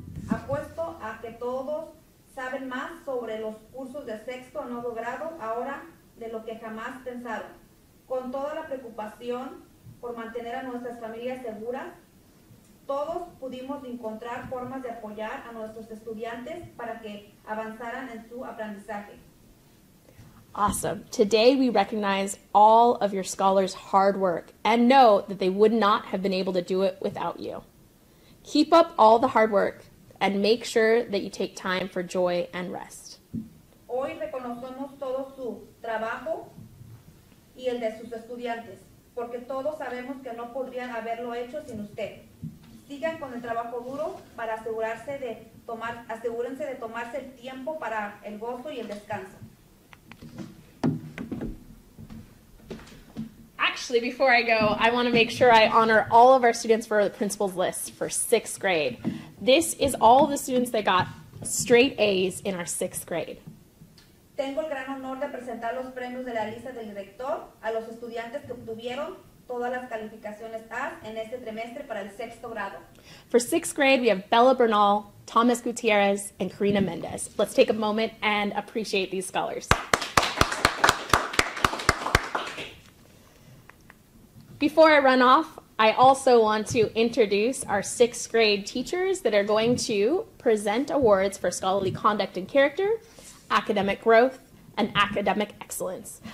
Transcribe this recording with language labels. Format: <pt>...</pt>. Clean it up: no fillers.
<es>Apuesto a que todos saben más sobre los cursos de 6th a 9th grado ahora de lo que jamás pensaron. Con toda la preocupación por mantener a nuestras familias seguras, todos pudimos encontrar formas de apoyar a nuestros estudiantes para que avanzaran en su aprendizaje.</es> <en>Awesome. Today we recognize all of your scholars' hard work and know that they would not have been able to do it without you. Keep up all the hard work and make sure that you take time for joy and rest.</en> <es>Hoy reconocemos todo su trabajo y el de sus estudiantes, porque todos sabemos que no podrían haberlo hecho sin usted. Sigan con el trabajo duro para asegúrense de tomarse el tiempo para el gozo y el descanso.</es> <en>Actually, before I go, I want to make sure I honor all of our students for the principal's list for 6th grade. This is all the students that got straight A's in our 6th grade.</en> <es>Tengo el gran honor de presentar los premios de la lista del director a los estudiantes que obtuvieron todas las calificaciones A en este trimestre para el 6th grado.</es> <en>For 6th grade, we have Bella Bernal, Thomas Gutierrez, and Karina Mendez. Let's take a moment and appreciate these scholars. Before I run off, I also want to introduce our 6th grade teachers that are going to present awards for scholarly conduct and character, academic growth, and academic excellence.</en>